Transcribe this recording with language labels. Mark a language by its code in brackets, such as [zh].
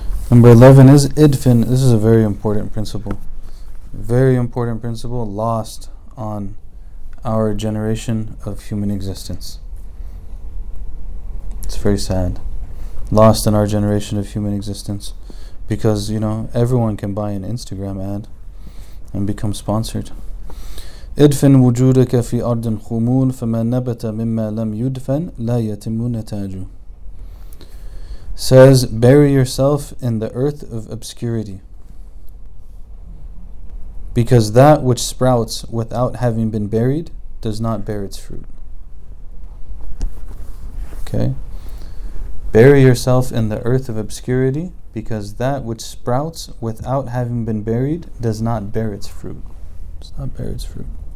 [en] Number 11 is idfin. This is a very important principle. Very important principle lost on our generation of human existence. It's very sad. Lost in our generation of human existence. Because, you know, everyone can buy an Instagram ad and become sponsored. [ar] إدفن وجودك في أرض خمول فما نبت مما لم يدفن لا يتم نتاجه. [en] Says, bury yourself in the earth of obscurity. Because that which sprouts without having been buried does not bear its fruit. Okay. Bury yourself in the earth of obscurity because that which sprouts without having been buried does not bear its fruit. Does not bear its fruit.